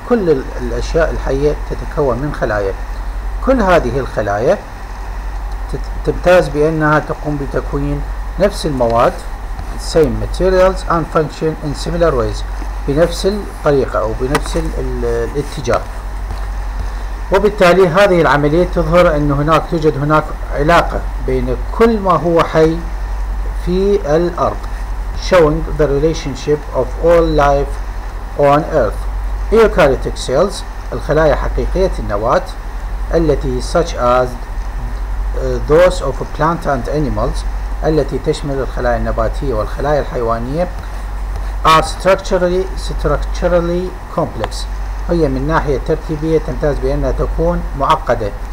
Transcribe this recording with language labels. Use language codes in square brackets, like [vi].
[ar] كل الأشياء الحية تتكون من خلايا. كل هذه الخلايا تمتاز بأنها تقوم بتكوين نفس المواد، [en] same materials and function in similar ways، [ar] بنفس الطريقة أو بنفس الاتجاه. وبالتالي هذه العملية تظهر أن هناك توجد هناك علاقة بين كل ما هو حي في الأرض. [en] Showing the relationship of all life on earth. Eukaryotic cells، [ar] الخلايا حقيقية النواة، التي [en] such as those of plant and animals، [ar] التي تشمل الخلايا النباتية والخلايا الحيوانية، [en] are structurally complex، [ar] هي من ناحية ترتيبية تمتاز بأنها تكون معقدة.